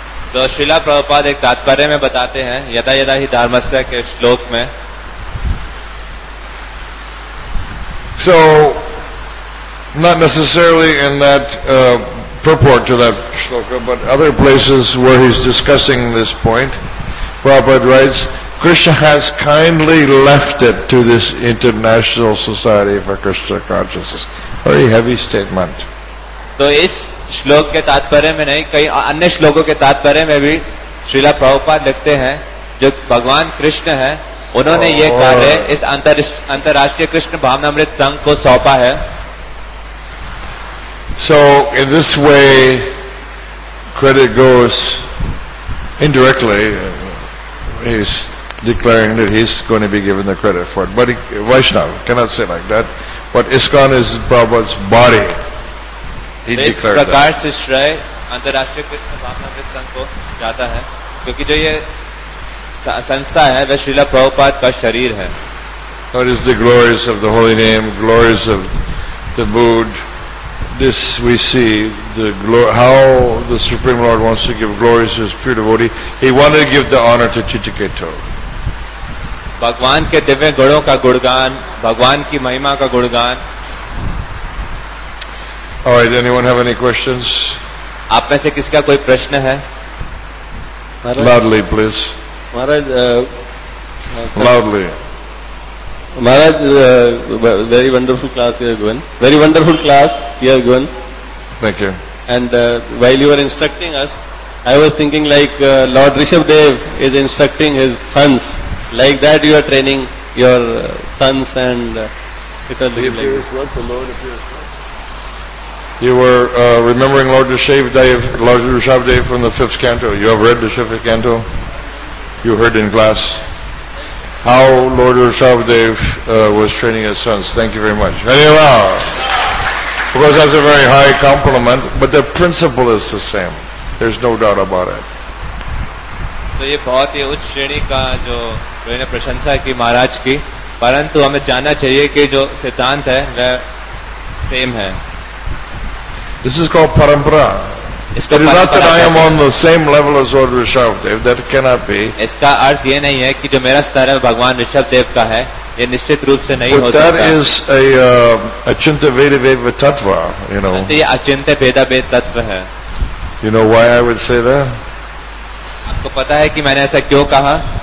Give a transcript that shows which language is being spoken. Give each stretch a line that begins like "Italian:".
Hindi: तो श्रीला प्रभुपाद एक तात्पर्य में बताते हैं,
Sanskrit: यदा यदा ही धर्मस्य
Hindi: के श्लोक में।
English: So, not necessarily in that purport to that shloka, but other places where he's discussing this point, Prabhupada writes, Krishna has kindly left it to this International Society for Krishna Consciousness. Very heavy statement.
Hindi: तो इस श्लोक के तात्पर्य में नहीं, कई अन्य श्लोकों के तात्पर्य में भी श्रीला प्रभुपाद लिखते हैं, जो भगवान कृष्ण हैं, उन्होंने ये कार्य इस अंतर्राष्ट्रीय कृष्ण भावनामृत संघ को सौंपा है।
English: So in this way, credit goes indirectly. He's declaring that he's going to be given the credit for it, but Vaishnav cannot say like that. But ISKCON is Prabhupada's body.
Hindi: इस प्रकार से श्रेय अंतर्राष्ट्रीय कृष्ण भावनामृत संघ को जाता है, क्योंकि जो ये संस्था है वह श्रीला प्रभुपाद का शरीर है।
English: What is the glories of the holy name, glories of the Buddha? This we see the glory, how the Supreme Lord wants to give glories to his pure devotee. He wanted to give the honor to Chitiketo.
Hindi: भगवान के दिव्य गुणों का गुणगान, भगवान की महिमा का गुणगान।
English: All right, anyone have any questions?
Hindi: आप में से किसका कोई प्रश्न है?
English: Loudly, please.
Hindi: Maharaj,
English: loudly. Maharaj, very wonderful class you have given. Very wonderful class you have given. Thank you. And while you were instructing us, I was thinking like Lord Rishabhdev is instructing his sons. Like that, you are training your sons and it all looks like. You were remembering Lord Rishabhdev, Lord Rishabhdev from the fifth canto. You have read the fifth canto. You heard in class how Lord Rishabhdev was training his sons. Thank you very much. Very well. Because that's a very high compliment, but the principle is the same. There's no doubt about it.
Hindi: So, ये बहुत ही उच्च श्रेणी का जो मैंने प्रशंसा की महाराज की, परंतु हमें जानना चाहिए कि जो सिद्धांत है वह सेम है.
English: This is called parampara. It is not that I am on the same level as Lord Rishabhdev. That cannot be.
Hindi: इसका अर्थ ये नहीं है कि जो मेरा स्तर है भगवान ऋषभदेव का है, ये निश्चित रूप से नहीं हो सकता.
English: But that is a achinta bheda tattva, you know.
Hindi: ये अचिंत्य भेदाभेद तत्व है.
English: You know why I would say that?
Hindi: आपको पता है कि मैंने ऐसा क्यों कहा?